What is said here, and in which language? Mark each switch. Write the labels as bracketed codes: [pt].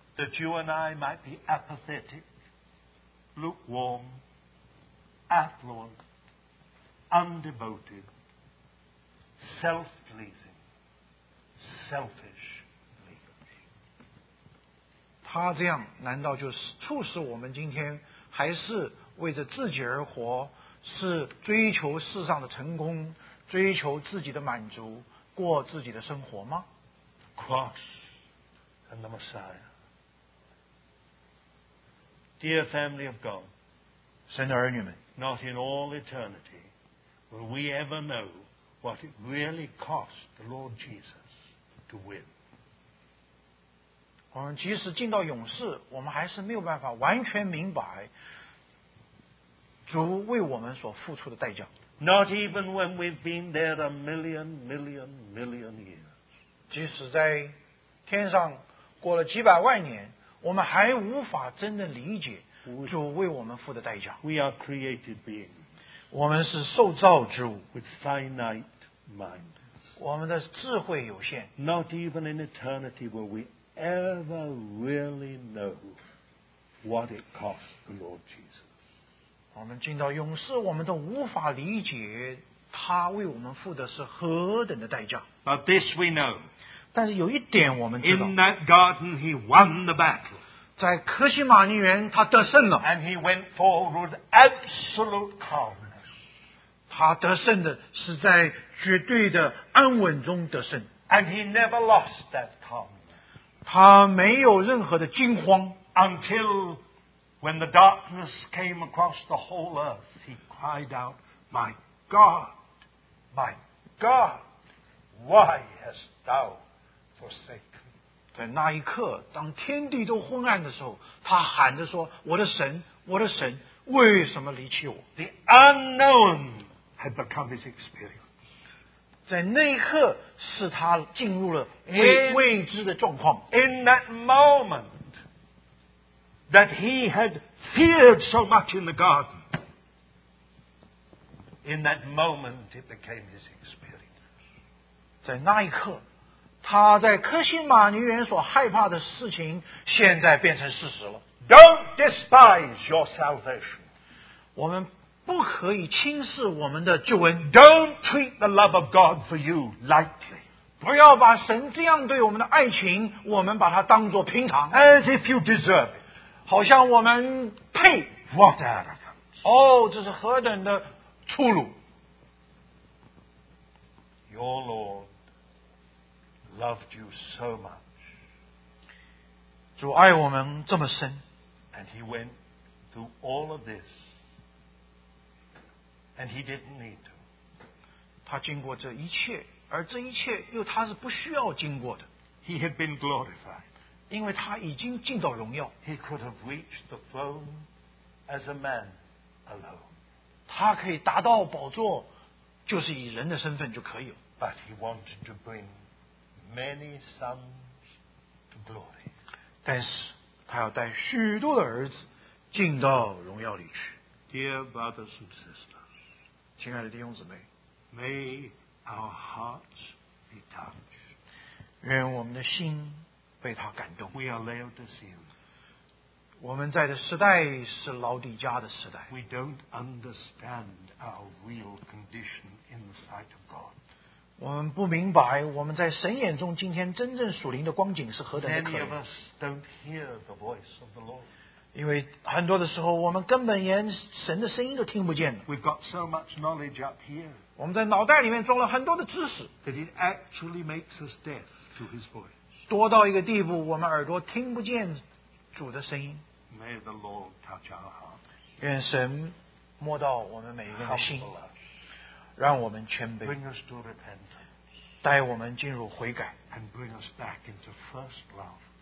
[en] That you and I might be apathetic, lukewarm, affluent, undevoted, self-pleasing, selfish. [zh] 他这样难道就是促使我们今天还是为着自己而活？是追求世上的成功，追求自己的满足，过自己的生活吗 [en] ？Cross and the Messiah, dear family of God, [zh] 神的儿女们 [en] ，Not in all eternity will we ever know what it really cost the Lord Jesus to win. [zh] 我们即使进到永世，我们还是没有办法完全明白。主为我们所付出的代价。 [en] Not even when we've been there a million, million, million years. [zh] 即使在天上过了几百万年，我们还无法真的理解主为我们付的代价。 [en] We are created beings. [zh] 我们是受造之物。 [en] With finite minds. [zh] 我们的智慧有限。 [en] Not even in eternity will we ever really know what it cost the Lord Jesus. [zh] 我们进到永世，我们都无法理解他为我们付的是何等的代价。 [en] But this we know. [zh] 但是有一点我们知道。 [en] In that garden, he won the battle. [zh] 在克西马尼园，他得胜了。 [en] And he went forward with absolute calmness. [zh] 他得胜的是在绝对的安稳中得胜。 [en] And he never lost that calmness. [zh] 他没有任何的惊慌。 [en] Until When the darkness came across the whole earth, he cried out, my God, why hast thou forsaken me? [zh] 在那一刻，当天地都昏暗的时候，他喊着说：“我的神，我的神，为什么离弃我？” [en] The unknown had become his experience. [zh] 在那一刻，使他进入了未知的状况。 [en] In that moment that he had feared so much in the garden, in that moment it became his experience. [zh] 在那一刻。他在克西马尼园所害怕的事情现在变成事实了。 [en] Don't despise your salvation. [zh] 我们不可以轻视我们的救恩。 [en] Don't treat the love of God for you lightly. [zh] 不要把神这样对我们的爱情我们把它当作平常。 [en] As if you deserve it. [zh] 好像我们配。 [en] What arrogance. [zh] 哦，这是何等的粗鲁。 [en] Your Lord. Loved you so much. [zh] 主爱我们这么深。 [en] And he went through all of this. And he didn't need to. [zh] 他经过这一切，而这一切又他是不需要经过的。 [en] He had been glorified. [zh] 因为他已经进到荣耀。 [en] He could have reached the throne as a man alone. [zh] 他可以达到宝座，就是以人的身份就可以了。 [en] But he wanted to bring. Many sons to glory. [zh] 但是他要带许多的儿子进到荣耀里去。 [en] Dear brothers and sisters, [zh] 亲爱的弟兄姊妹 [en] ，May our hearts be touched. [zh] 愿我们的心被他感动。 [en] We are Laodicean. [zh] 我们在的时代是老底家的时代。 [en] We don't understand our real condition in the sight of God. [zh] 我们不明白我们在神眼中今天真正属灵的光景是何等的可怜。 [en] Many of us don't hear the voice of the Lord. [zh] 因为很多的时候我们根本连神的声音都听不见了。 [en] We've got so much knowledge up here. [zh] 我们在脑袋里面装了很多的知识。 [en] That it actually makes us deaf to his voice. [zh] 多到一个地步我们耳朵听不见主的声音。 [en] May the Lord touch our heart. [zh] 愿神摸到我们每一个人的心。让我们谦卑 [en] bring us to repentance, [zh] 带我们进入悔改 [en] and bring us back into first love.